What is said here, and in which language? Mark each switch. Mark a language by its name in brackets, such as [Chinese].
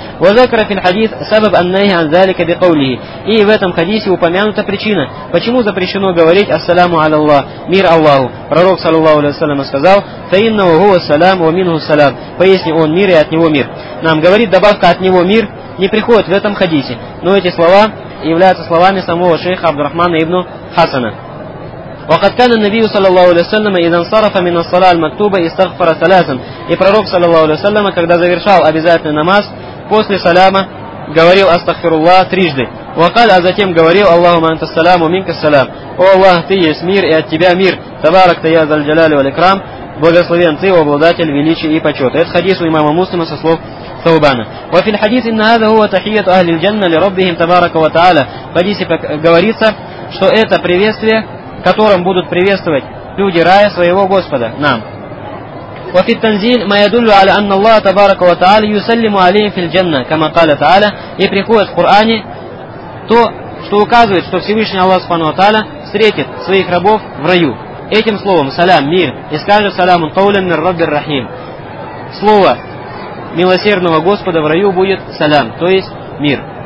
[Arabic] Вазакара фил хадис сабаб аннахи ан залика бикаулихи. [Russian] И в этом хадисе упомянута причина, почему запрещено говорить ассаляму аляллах, мир Аллаху. Пророк саллаллаху алейхи ва саллям сказал: [Arabic] фаиннаху хуа ас-салям [Russian] ва минху ас-салям. Поясни, он мир и от него мир. Нам говорит, добавка от него мир не приходит в этом хадисе, но эти слова являются словами самого шейха Абдурахмана ибн Хасана. [Arabic] وقد كان النبي صلى الله عليه وسلم اذا انصرف من الصلاه المكتوبه استغفر ثلاثا. [Russian] И пророк саллаллаху алейхи ва саллям, когда завершал обязательный намаз, после саляма говорил астагфируллах трижды. [Arabic] وقال, [Russian] а затем говорил: [Arabic] اللهم انت السلام ومنك السلام. [Russian] О Аллах, ты есть мир и от тебя мир. [Arabic] تبارك يا ذا الجلال والاكرام. [Russian] Благословен ты, обладатель величия и почета. Это хадис у имама Муслима со слов Саубана. [Arabic] وفي الحديث ان هذا هو تحيه اهل الجنه لربهم تبارك وتعالى. [Russian] В хадисе говорится, что это приветствие, которым будут приветствовать люди рая своего Господа, нам. [Arabic] وفي التنزيل ما يدل على أن الله تبارك وتعالى يسلم عليهم في الجنة كما قال تعالى. [Russian] И приходит в Коране то, что указывает, что Всевышний Аллах Субхану ва Тааля встретит своих рабов в раю. Этим словом «салям» – мир, и скажет [Arabic] «саляму каулям мир раббир рахим». [Russian] Слово милосердного Господа в раю будет «салям», то есть мир.